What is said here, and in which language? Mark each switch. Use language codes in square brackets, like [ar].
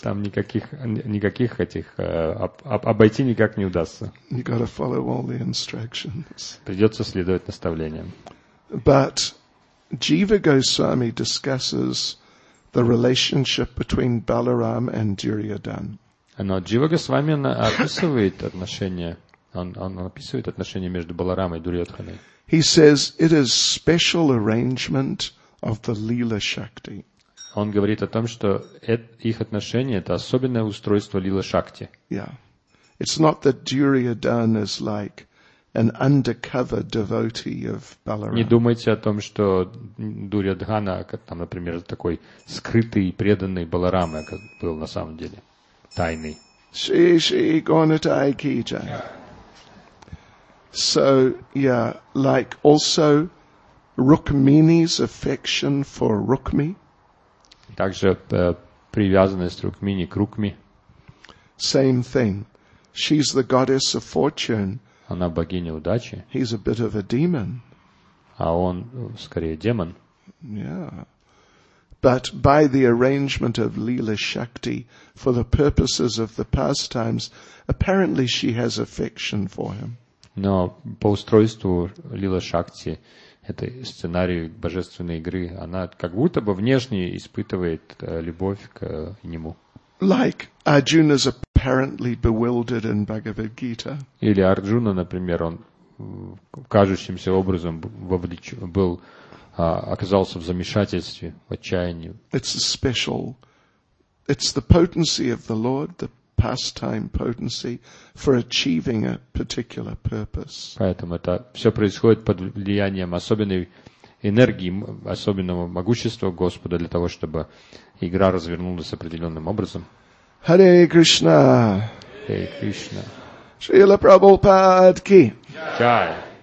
[ru] Там никаких этих обойти никак не удастся. [en] You got to follow all the instructions. [ru] Придется следовать наставлениям. [en] But Jiva Goswami discusses the relationship between Balaram and Duryodhana. [ru] Но Jiva Goswami описывает отношения. Он описывает отношения между Баларамой и Дурьотханой. [en] He says it is special arrangement of the Lila Shakti. [ru] Он говорит о том, что их отношения — это особенное устройство Лила Шакти. [en] Yeah. It's not that Duryodhan is like an undercover devotee of Balaram. [ru] Не думайте о том, что Дурьядхана, там, например, такой скрытый и преданный Баларама был на самом деле тайный. [en] Shri Shri Gaunatai Ki Jai. So, yeah, like also Rukmini's affection for Rukmi. [ru] Также привязанность Рукмини к Рукми. [en] Same thing. She's the goddess of fortune. [ru] Она богиня удачи. [en] He's a bit of a demon. [ru] А он скорее демон. [en] Yeah. But by the arrangement of Leela Shakti, for the purposes of the pastimes, apparently she has affection for him. [ru] Но по устройству Лила Шакти, этой сценарии божественной игры, она как будто бы внешне испытывает любовь к нему. [en] Like Arjuna's apparently bewildered in Bhagavad Gita. [ru] Или Арджуна, например, он кажущимся образом был оказался в замешательстве, в отчаянии. [en] It's a special, it's the potency of the Lord, the pastime potency for achieving a particular purpose. [ru] Поэтому это все происходит под влиянием особенной энергии, особенного могущества Господа для того, чтобы игра развернулась определенным образом. [sa] Hare Krishna. Hare Krishna. Srila Prabhupada ki. Jai.